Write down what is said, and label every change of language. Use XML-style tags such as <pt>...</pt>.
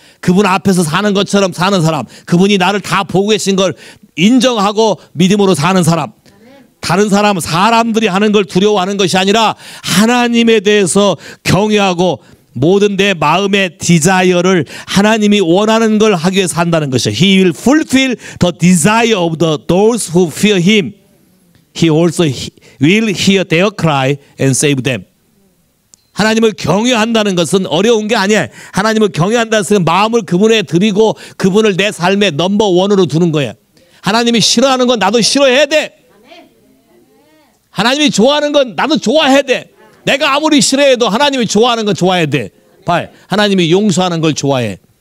<ko>그분 앞에서 사는 것처럼 사는 사람. 그분이 나를 다 보고 계신 걸 인정하고 믿음으로 사는 사람. 다른 사람, 사람들이 하는 걸 두려워하는 것이 아니라 하나님에 대해서 경외하고 모든 내 마음의 디자이어를 하나님이 원하는 걸 하기 위해서 한다는 것이에요.</ko> <en>He will fulfill the desire of the those who fear him. He also will hear their cry and save them.</en> <ko>하나님을 경외한다는 것은 어려운 게 아니에요. 하나님을 경외한다는 것은 마음을 그분에 드리고 그분을 내 삶의 넘버원으로 두는 거예요. 하나님이 싫어하는 건 나도 싫어해야 돼. 하나님이 좋아하는 건 나도 좋아해야 돼. 내가 아무리 싫어해도 하나님이 좋아하는 건 좋아해야 돼. 봐, 하나님이 용서하는 걸 좋아해.</ko>